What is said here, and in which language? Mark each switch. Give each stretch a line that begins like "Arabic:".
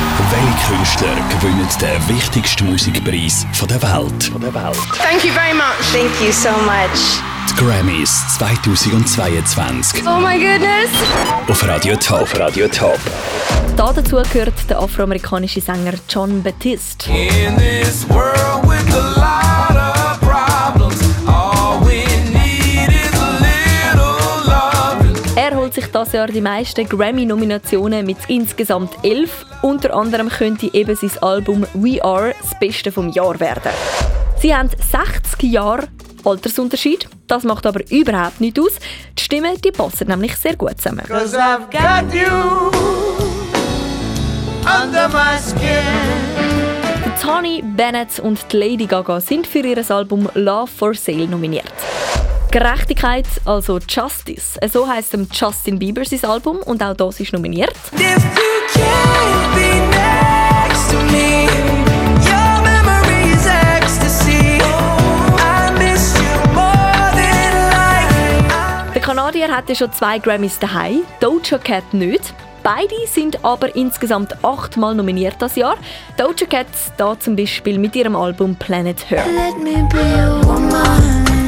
German: Welche Künstler gewinnen den wichtigsten Musikpreis der Welt?
English: Thank you very much. Thank you so much.
German: Die Grammys 2022.
English: Oh my goodness.
German: Auf Radio Top. Auf Radio Top. Da dazu gehört der afroamerikanische Sänger John Batiste.
English: In this world with a lot of problems, all we need is a little love.
German: Er holt sich dieses Jahr die meisten Grammy-Nominationen mit insgesamt 11. Unter anderem könnte eben sein Album «We Are» das Beste vom Jahr werden. Sie haben 60 Jahre Altersunterschied. Das macht aber überhaupt nichts aus. Die Stimmen, die passen nämlich sehr gut zusammen.
English: «Cause I've got you under my skin.»
German: Tony Bennett und Lady Gaga sind für ihr Album «Love for Sale» nominiert. Gerechtigkeit, also Justice. So heisst Justin Bieber sein Album und auch das ist nominiert.
English: If you can't be next to me, your memory is ecstasy. I miss you more than life.
German: Der Kanadier hatte schon 2 Grammys daheim, Doja Cat nicht. Beide sind aber insgesamt 8-mal nominiert das Jahr. Doja Cat da zum Beispiel mit ihrem Album Planet Her.
English: Let me be a woman.